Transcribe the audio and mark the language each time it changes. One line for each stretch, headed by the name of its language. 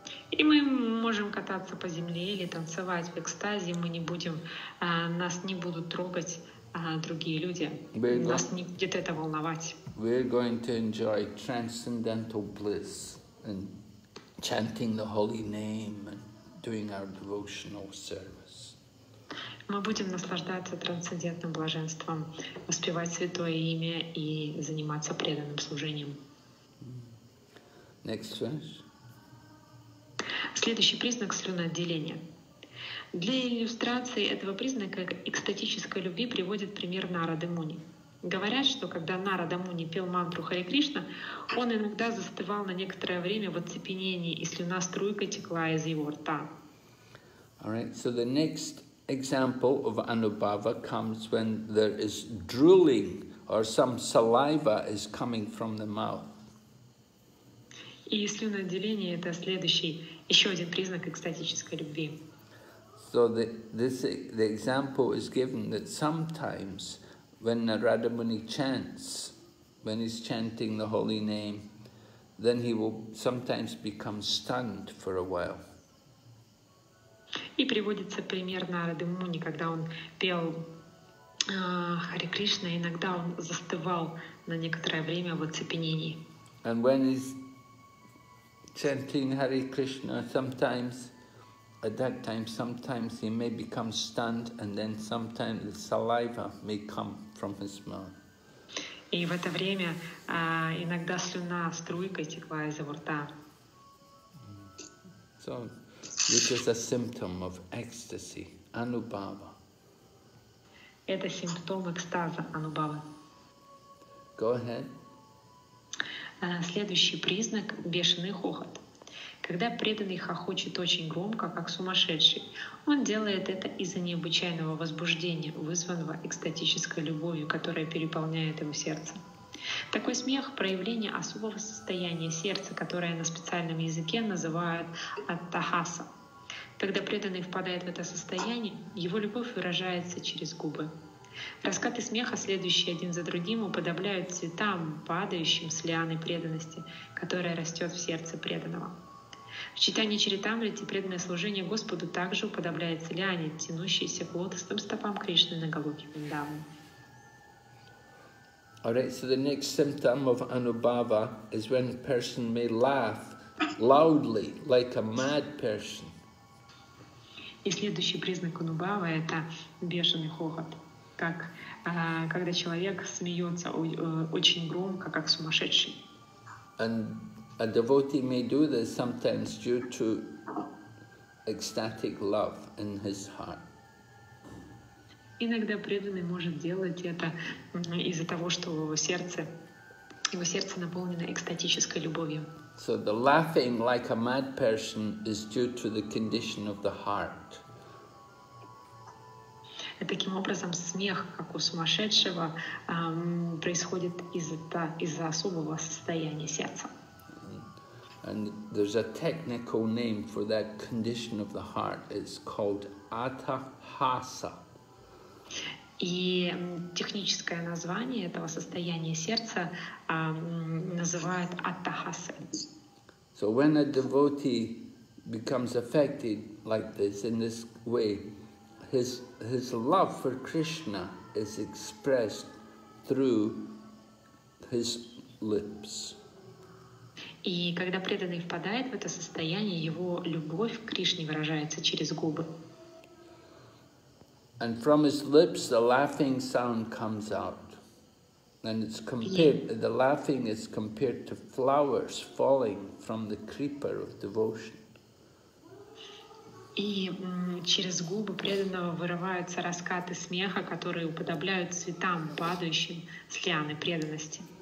Russian: И мы можем кататься по земле или танцевать в экстазе, мы не будем, нас не будут трогать другие люди, нас не будет это волновать.
English: We're going to enjoy transcendental bliss and chanting the holy name and doing our devotional service.
Russian: Мы будем наслаждаться трансцендентным блаженством, воспевать святое имя и заниматься преданным служением.
English: Next verse.
Russian: Следующий признак слюноотделения. Для иллюстрации этого признака экстатической любви приводит пример Нарады Муни. Говорят, что когда Нарада Муни пел мантру Харе Кришна, он иногда застывал на некоторое время в оцепенении, и слюна струйкой текла из его рта.
English: All right, so the next example of anubhava comes when there is drooling or some saliva is coming from the mouth.
Russian: И слюноотделение — это следующий еще один признак экстатической любви.
English: So the example is given that sometimes when Narada Muni chants, when he's chanting the holy name, then he will sometimes become stunned for a while.
Russian: И приводится пример Нарады Муни, когда он пел Харе Кришна, иногда он застывал на некоторое время в оцепенении.
English: And when he's chanting Hare Krishna, sometimes, at that time, sometimes he may become stunned, and then sometimes the saliva may come from his mouth.
Russian: И в это время иногда слюна струйкой текла из его рта.
English: So, which is a symptom of ecstasy, anubhava.
Russian: Это симптом экстаза, анубхава.
English: Go ahead.
Russian: Следующий признак – бешеный хохот. Когда преданный хохочет очень громко, как сумасшедший, он делает это из-за необычайного возбуждения, вызванного экстатической любовью, которая переполняет его сердце. Такой смех – проявление особого состояния сердца, которое на специальном языке называют аттахаса. Когда преданный впадает в это состояние, его любовь выражается через губы. Раскаты смеха, следующие один за другим, уподобляют цветам, падающим с лианы преданности, которая растет в сердце преданного. В читании Чаритамриты преданное служение Господу также уподобляется лиане, тянущейся к лотосным стопам Кришны на Галоке Вриндаван.
English: All right, so the next symptom of anubhava is when a person may laugh loudly, like a mad person.
Russian: И следующий признак анубхавы – это бешеный хохот. Как когда человек смеется очень громко, как сумасшедший.
English: And a devotee may do this sometimes due to ecstatic love in his heart.
Russian: Иногда преданный может делать это из-за того, что его сердце наполнено экстатической любовью.
English: So the laughing like a mad person is due to the condition of the heart.
Russian: Таким образом, смех, как у сумасшедшего, происходит из-за особого состояния сердца.
English: And there's a technical name for that condition of the heart. It's called atahasa.
Russian: И техническое название этого состояния сердца называют атахаса.
English: So when a devotee becomes affected like this, in this way, His love for Krishna is expressed through his lips.
Russian: И когда преданный впадает в это состояние, его любовь к Кришне выражается через губы.
English: And from his lips the laughing sound comes out. And it's compared, the laughing is compared to flowers falling from the creeper of devotion.
Russian: И через губы преданного вырываются раскаты смеха, которые уподобляют цветам, падающим с лианы преданности.